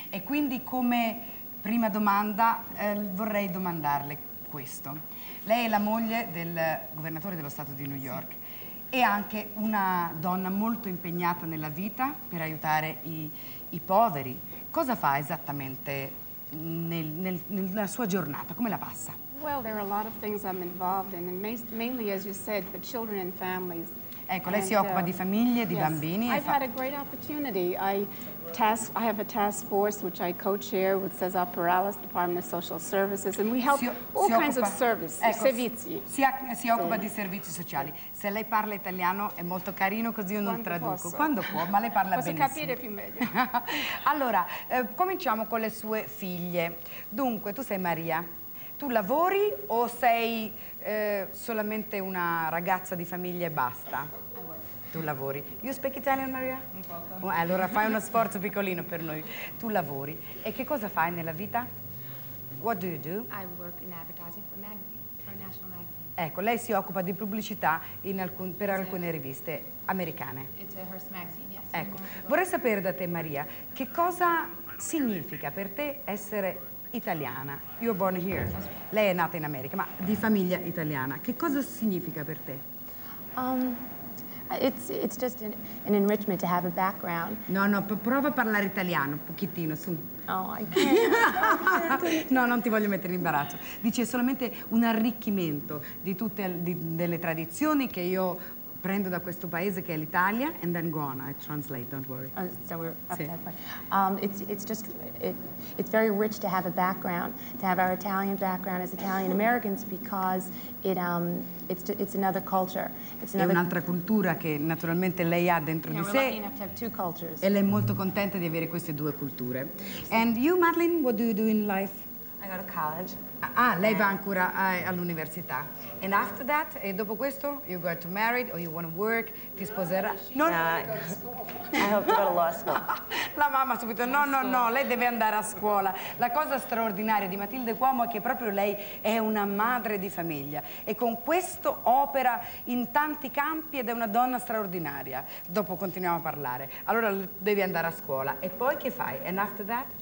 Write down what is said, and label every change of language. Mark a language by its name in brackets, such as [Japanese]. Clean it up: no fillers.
[Italian] E quindi come prima domanda vorrei domandarle questo. Lei è la moglie del governatore dello Stato di New York. Sì. E anche una donna molto impegnata nella vita per aiutare i poveri. Cosa fa esattamente nella sua giornata? Come la passa? [English] Well, there are a lot of things I'm involved in, and mainly, as you said, for children and families. [Italian] Ecco, lei si occupa di famiglie, di bambini. [English] I've had a great opportunity. I have a task force which I co-chair with Cesar Perales, Department of Social Services, and we help servizi. [Italian] Si occupa di servizi sociali. Se lei parla italiano è molto carino, così io non traduco. Quando può, ma lei parla benissimo. Posso capire più meglio. Allora, cominciamo con le sue figlie. Dunque, tu sei Maria. Tu lavori o sei solamente una ragazza di famiglia e basta? Tu lavori. [English] You speak Italian, Maria? [Italian] Un poco. Allora fai uno sforzo piccolino per noi. Tu lavori. E che cosa fai nella vita? [English] What do you do? I work in advertising for a magazine, for a national magazine. [Italian] Ecco, lei si occupa di pubblicità per alcune riviste americane. [English] It's a Hearst magazine, yes. [Italian] Ecco. Vorrei sapere da te, Maria, che cosa significa per te essere italiana? [English] You're born here. [Italian] Lei è nata in America, ma di famiglia italiana. Che cosa significa per te? [English] It's just an enrichment to have a background. [Italian] No, no, prova a parlare italiano, un pochettino, su. [English] Oh, I can't. [Italian] No, non ti voglio mettere in imbarazzo. Dice, è solamente un arricchimento di tutte delle tradizioni che io prendo da questo paese che è l'Italia, [English] and then go on, I translate, don't worry. So we're up to that point. It's very rich to have a background, to have our Italian background as Italian Americans, because it's another culture. [Italian] È un'altra cultura che naturalmente lei ha dentro di sé. [English] We're lucky enough to have two cultures. [Italian] E lei è molto contenta di avere queste due culture. [English] And you, Madeline, what do you do in life? I go to college. [Italian] Ah, lei va ancora all'università. [English] And after that, [Italian] e dopo questo, [English] you got to married or you want to work, [Italian] ti sposerà? [English] No, no, no. I hope to go to law school. [Italian] La mamma subito, no, no, no, lei deve andare a scuola. La cosa straordinaria di Matilde Cuomo è che proprio lei è una madre di famiglia e con questo opera in tanti campi ed è una donna straordinaria. Dopo continuiamo a parlare. Allora devi andare a scuola. E poi che fai? [English] And after that?